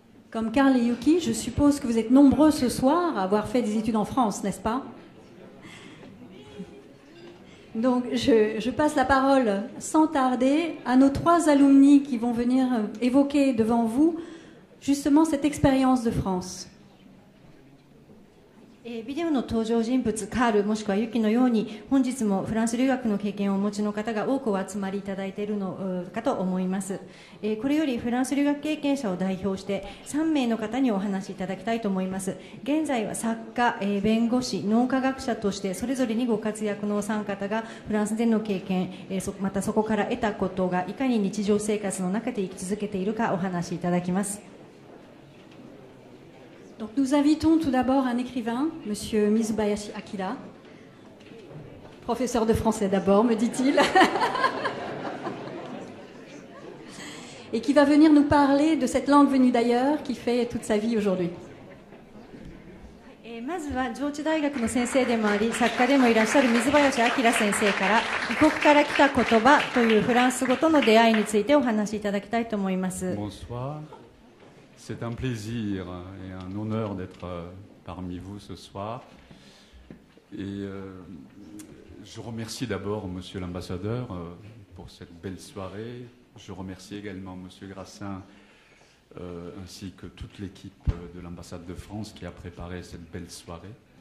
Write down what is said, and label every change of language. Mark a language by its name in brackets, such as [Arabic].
[French] Comme Karl et Yuki, je suppose que vous êtes nombreux ce soir à avoir fait des études en France, n'est-ce pas? Donc je passe la parole sans tarder à nos trois alumni qui vont venir évoquer devant vous justement cette expérience de France. [Japanese] ビデオの登場人物カールもしくはユキのように本日もフランス留学の経験をお持ちの方が多くお集まりいただいているのかと思います。これよりフランス留学経験者を代表して3名の方にお話しいただきたいと思います。現在は作家、弁護士、脳科学者としてそれぞれにご活躍のお三方がフランスでの経験、またそこから得たことがいかに日常生活の中で生き続けているかお話しいただきます。 [French] Donc nous invitons tout d'abord un écrivain, M. Mizubayashi Akira, professeur de français d'abord, me dit-il, et qui va venir nous parler de cette langue venue d'ailleurs qui fait toute sa vie aujourd'hui. [Japanese] まずは上智大学の先生でもあり作家でもいらっしゃる水林明先生から異国から来た言葉というフランス語との出会いについてお話しいただきたいと思います。 [French] Bonsoir. C'est un plaisir et un honneur d'être parmi vous ce soir. Et je remercie d'abord Monsieur l'ambassadeur pour cette belle soirée. Je remercie également Monsieur Grassin ainsi que toute l'équipe de l'ambassade de France qui a préparé cette belle soirée.